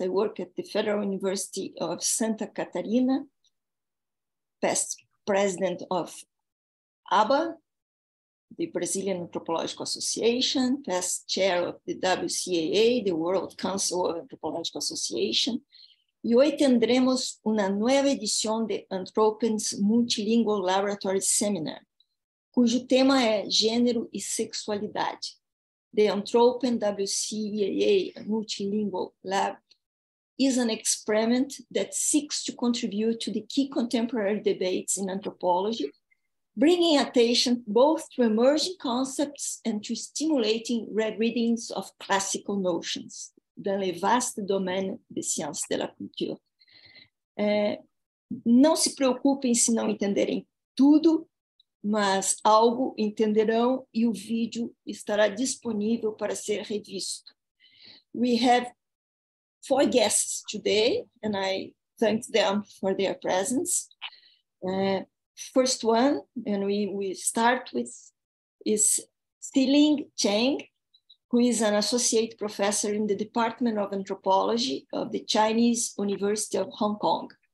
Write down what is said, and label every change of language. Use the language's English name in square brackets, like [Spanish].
[English] I work at the Federal University of Santa Catarina, past president of ABA, the Brazilian Anthropological Association, past chair of the WCAA, the World Council of Anthropological Association. [Portuguese] E hoje teremos uma nova edição de Anthropen's Multilingual Laboratory Seminar, cujo tema é gênero e sexualidade. [English] The Anthropen WCAA Multilingual Lab is an experiment that seeks to contribute to the key contemporary debates in anthropology, bringing attention both to emerging concepts and to stimulating readings of classical notions, [French] dans le vaste domaine des sciences de la culture. [Portuguese] Não se preocupem se não entenderem tudo, mas algo entenderão e o vídeo estará disponível para ser revisto. [English] We have 4 guests today, and I thank them for their presence. First one, and we start with, is Siling Cheng, who is an associate professor in the Department of Anthropology of the Chinese University of Hong Kong.